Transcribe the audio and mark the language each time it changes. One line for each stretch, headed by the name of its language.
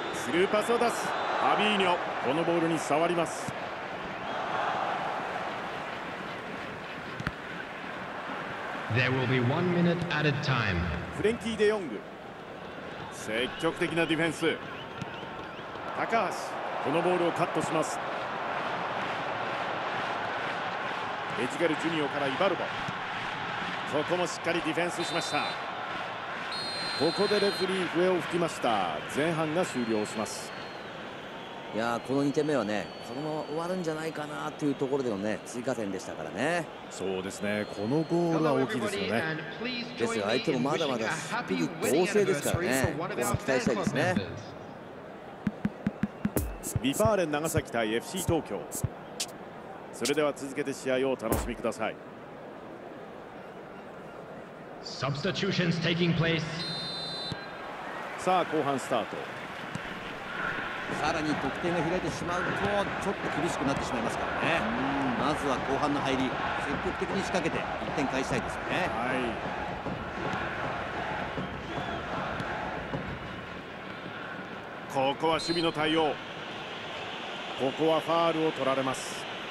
Japanese: スルーパスを出す、ファビーニョこのボールに触ります。
English: There will be one minute added time.
Japanese: フレンキー・デ・ヨング、積極的なディフェンス、高橋このボールをカットします。エジガル・ジュニオからイバルボ、ここもしっかりディフェンスしました。ここでレフリー笛を吹きました。前半が終了します。いやこの2点目はね、このまま終わるんじゃないかなというところでのね、追加点でしたからね。そうですね、このゴールは大きいですよね。ですが相手もまだまだスピリット旺盛ですからね、ここは期待したいですね。ビファーレン長崎対 FC 東京、それでは続けて試合を楽しみください。
English: Substitutions taking place.
Japanese: さあ後半スタート。さらに得点が開いてしまうとちょっと厳しくなってしまいますからね。まずは後半の入り、積極的に仕掛けて1点返したいですね。はい、ここは守備の対応、ここはファールを取られます。